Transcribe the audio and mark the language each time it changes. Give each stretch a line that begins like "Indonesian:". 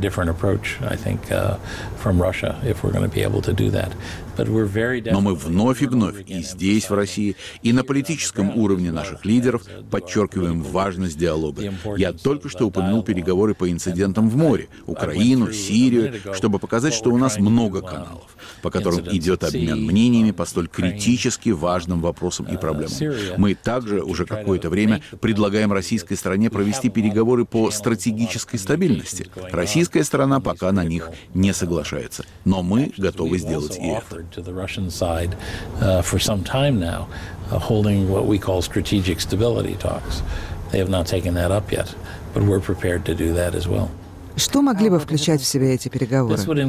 English: Approach, I think, from Russia, if we're going to be able to do that.
Russian: Но мы вновь и вновь и здесь, в России, и на политическом уровне наших лидеров подчеркиваем важность диалога. Я только что упомянул переговоры по инцидентам в море, Украину, Сирию, чтобы показать, что у нас много каналов, по которым идет обмен мнениями по столь критически важным вопросам и проблемам. Мы также уже какое-то время предлагаем российской стороне провести переговоры по стратегической стабильности. Российская сторона пока на них не соглашается, но мы готовы сделать и это.
English: To the Russian side for some time now, holding what we call strategic stability talks. They have not taken that up yet, but we're prepared to do that as well.
Russian: Что могли бы включать в себя эти переговоры?